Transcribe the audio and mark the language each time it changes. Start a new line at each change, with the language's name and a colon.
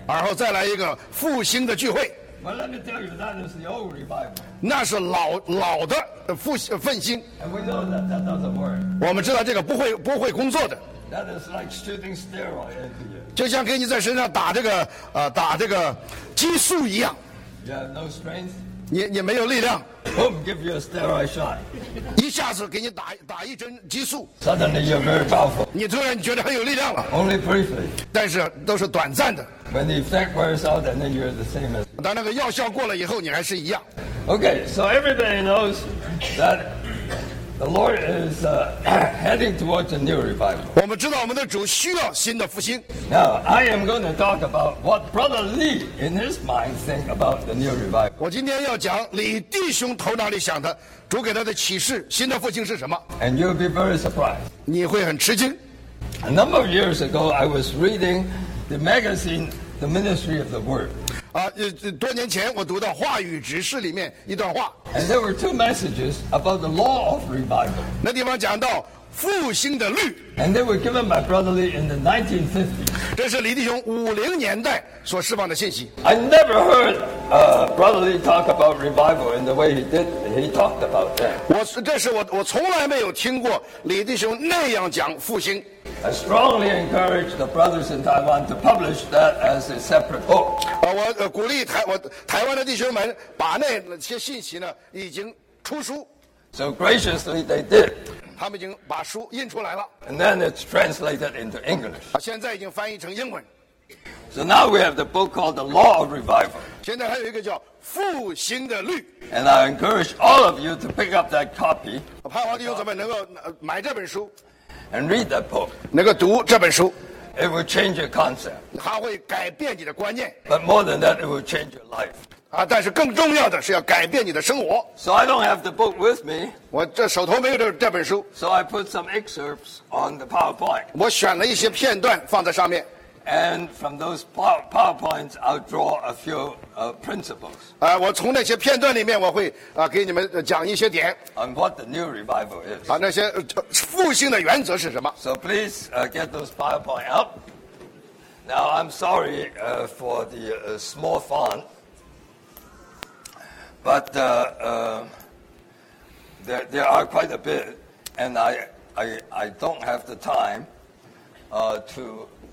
Chinese: 而后再来一个复兴的聚会。
English: Well, let me tell you, that is the old revival.
Chinese: 那是老的复奋兴。
English: And we know that that doesn't work.
Chinese: 我们知道这个不会工作的。
English: That is like shooting steroids.
Chinese: 就像给你在身上打这个打这个激素一样。
English: You have no strength.
Chinese: 你没有力量。
English: Boom, give you a steroid shot.
Chinese: 一下子给你打一针激素。
English: Suddenly you're very powerful.
Chinese: 你突然觉得很有力量了。
English: Only briefly.
Chinese: 但是都是短暂的。
English: When the effect wears out, and then you're the same as.
Chinese: 当那个药效过了以后，你还是一样。
English: Okay, so everybody knows that the Lord is heading towards a new revival.
Chinese: 我们知道我们的主需要新的复兴。
English: Now I am going to talk about what Brother Lee in his mind think about the new revival.
Chinese: 我今天要讲李弟兄头脑里想的主给他的启示，新的复兴是什么
English: ？And you'll be very surprised.
Chinese: 你会很吃惊。
English: A number of years ago, I was reading the magazine. The Ministry of the Word.
Chinese: 啊，多年前我读到《话语执事》里面一段话。
English: And there were two messages about the law of revival.
Chinese: 那地方讲到复兴的律。
English: And they were given by Brother Lee in the 1950s.
Chinese: 这是李弟兄50年代所释放的信息。
English: I never heard Brother Lee talk about revival in the way he did. He talked about that.
Chinese: 这是我从来没有听过李弟兄那样讲复兴。
English: I strongly encourage the brothers in Taiwan to publish that as a separate book.
Chinese: 我鼓励台湾的弟兄们把那些信息呢已经出书。
English: So graciously they did.
Chinese: 他们已经把书印出来了。
English: And then it's translated into English.
Chinese: 现在已经翻译成英文。
English: So now we have the book called The Law of Revival.
Chinese: 现在还有一个叫复兴的律。
English: And I encourage all of you to pick up that copy.
Chinese: 盼望弟兄们能够买这本书。
English: And read that book.
Chinese: 能够读这本书。
English: It will change your concept.
Chinese: 它会改变你的观念。
English: But more than that, it will change your life.
Chinese: 啊，但是更重要的是要改变你的生活。
English: So I don't have the book with me.
Chinese: 我这手头没有这本书。
English: So I put some excerpts on the PowerPoint.
Chinese: 我选了一些片段放在上面。
English: And from those PowerPoints, I'll draw a few principles.
Chinese: 啊，我从那些片段里面，我会给你们讲一些点。
English: On what the new revival is.
Chinese: 啊，那些复兴的原则是什么
English: ？So please get those PowerPoint up. Now I'm sorry for the small font, but there are quite a bit, and I don't have the time to.